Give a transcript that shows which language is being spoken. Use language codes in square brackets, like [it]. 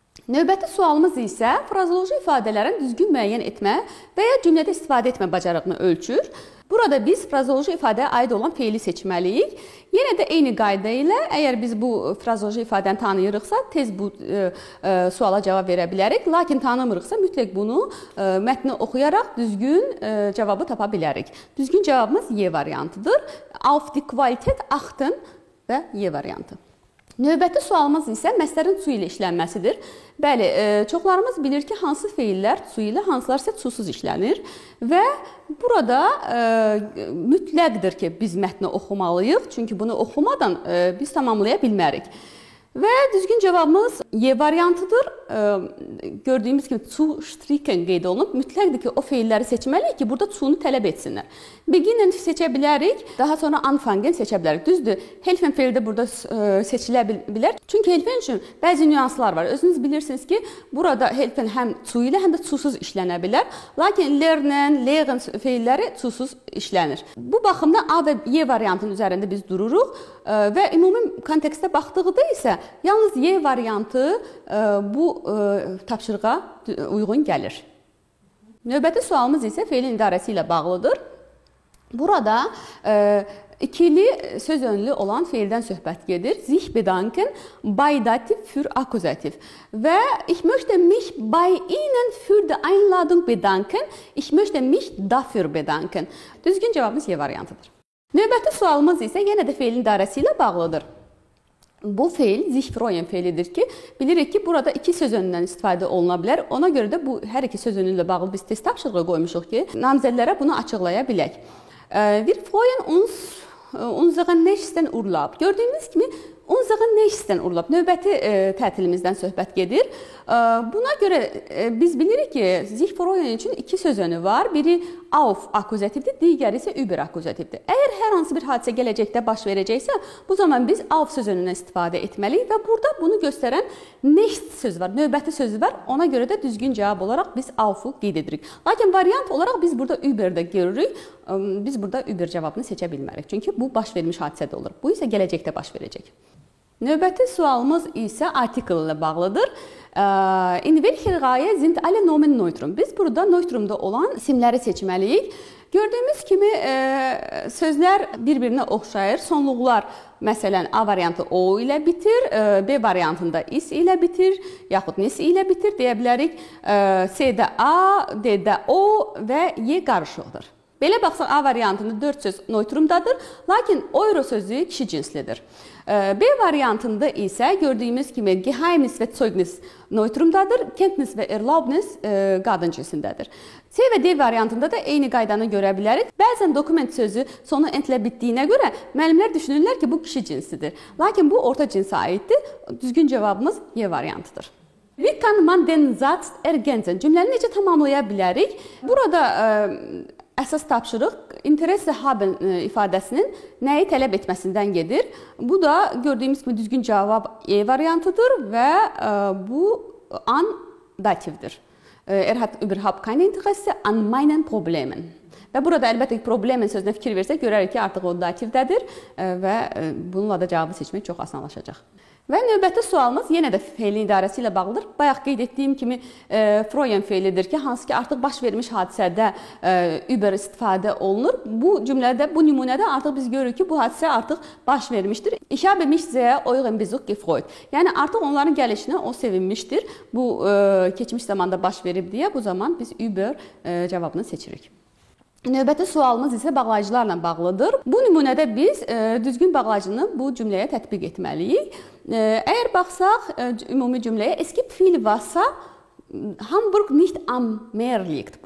[az] Növbəti sualımız isə frazoloji ifadələrin düzgün müəyyən etmə və ya cümlədə istifadə etmə bacarığını ölçür. Burada biz frazoloji ifadəyə aid olan feili seçməliyik. Yenə də eyni qayda ilə, əgər biz bu frazoloji ifadəni tanıyırıqsa, tez bu suala cavab verə bilərik. Lakin tanımırıqsa, mütləq bunu mətni oxuyaraq düzgün cavabı tapa bilərik. Düzgün cavabımız E variantıdır. [de] Auf die Qualität achten [az] və E variantı. Növbəti sualımız isə məsdərin su ilə işlənməsidir. Bəli, çoxlarımız bilir ki, hansı feillər su ilə, hansılar isə susuz işlənir və burada mütləqdir ki, biz mətni oxumalıyıq, çünki bunu oxumadan biz tamamlaya bilmərik. Və düzgün cavabımız E variantıdır. gördüyümüz kimi zu stricken qeyd olunub. Mütləqdir ki, o feilləri seçməliyik ki, burada zu-nu tələb etsinlər. Beginnen seçə bilərik, daha sonra anfangen seçə bilərik. Düzdür, helfen feil də burada seçilə bilər. Çünki helfen üçün bəzi nüanslar var. Özünüz bilirsiniz ki, burada helfen həm zu ilə, həm də zusuz işlənə bilər. Lakin lernen, lehren feilləri zusuz işlənir. Bu baxımda A və Y variantının üzərində biz dururuq. Və ümumi kontekstdə baxdığıda isə yalnız Y variantı bu tapşırığa uyğun gəlir. Növbəti sualımız isə feilin idarəsi ilə bağlıdır. Burada ikili söz önlü olan feildən söhbət gedir. [de] Sich bedanken bei Dativ für Akkusativ. Və ich möchte mich bei Ihnen für die Einladung bedanken. Ich möchte mich dafür bedanken. [az] Düzgün cavabımız Y variantıdır. Növbəti sualımız isə yenə də feilin idarəsi ilə bağlıdır. Bu feil sich freuen feilidir ki, bilirik ki, burada iki söz önündən istifadə oluna bilər. Ona görə də bu hər iki söz önünlə bağlı biz test tapşırığı qoymuşuq ki, namizədlərə bunu açıqlaya bilək. [de] Wir freuen uns unseren nächsten Urlaub. [az] Gördüyümüz kimi [de] unseren nächsten Urlaub. [az] Növbəti tətilimizdən söhbət gedir. Buna görə biz bilirik ki, sich freuen üçün iki söz önü var. Biri auf akkusativdir, digəri isə über akkusativdir. Əgər hər hansı bir hadisə gələcəkdə baş verəcəksə, bu zaman biz auf söz önündən istifadə etməliyik və burada bunu göstərən nächst söz var, növbəti sözü var. Ona görə də düzgün cavab olaraq biz auf-u qeyd edirik. Lakin variant olaraq biz burada über-də görürük. Biz burada über cavabını seçə bilmərik. Çünki bu baş vermiş hadisədə olur. Bu isə gələcəkdə baş verəcək. Növbəti sualımız isə artikl ilə bağlıdır. [de] In welcher Reihe sind alle Nomen neutrum? [az] Biz burada neutrumda olan simləri seçməliyik. Gördüyümüz kimi sözlər bir-birinə oxşayır. Sonluqlar, məsələn, A variantı O ilə bitir, B variantında is ilə bitir, yaxud nis ilə bitir deyə bilərik. C-də A, D-də O və Y qarışıqdır. Belə baxsaq, A variantında 4 söz neutrumdadır, lakin euro sözü kişi cinslidir. B variantında isə gördüyümüz kimi geheimnis və zeugnis neutrumdadır, kenntnis və erlaubnis qadın cinsindədir. C və D variantında da eyni qaydanı görə bilərik. Bəzən dokument sözü sonu entlə bitdiyinə görə müəllimlər düşünürlər ki, bu kişi cinsidir. Lakin bu orta cinsə aiddir. Düzgün cavabımız Y variantıdır. [de] Wie kann man den Satz ergänzen? [az] Cümləni necə tamamlaya bilərik? Burada əsas tapşırıq interesse haben ifadəsinin nəyi tələb etməsindən gedir. Bu da gördüyümüz kimi düzgün cavab E variantıdır və bu an dativdir. [de] Er hat überhaupt kein Interesse an meinen Problemen. [az] Və burada əlbəttə ki, problemin sözünə fikir versək, görərik ki, artıq o dativdədir və bununla da cavabı seçmək çox asanlaşacaq. Və növbəti sualımız yenə də feilin idarəsi ilə bağlıdır. Bayaq qeyd etdiyim kimi freuen feilidir ki, hansı ki artıq baş vermiş hadisədə über istifadə olunur. Bu cümlədə, bu nümunədə artıq biz görürük ki, bu hadisə artıq baş vermişdir. [de] Ich habe mich sehr über den Besuch gefreut. [az] Yəni artıq onların gəlişinə o sevinmişdir. Bu keçmiş zamanda baş verib deyə bu zaman biz über cavabını seçirik. Növbəti sualımız isə bağlayıcılarla bağlıdır. Bu nümunədə biz düzgün bağlayıcını bu cümləyə tətbiq etməliyik. Əgər baxsaq, ümumi cümləyə, [de] es gibt viel Wasser, Hamburg nicht am Meer liegt.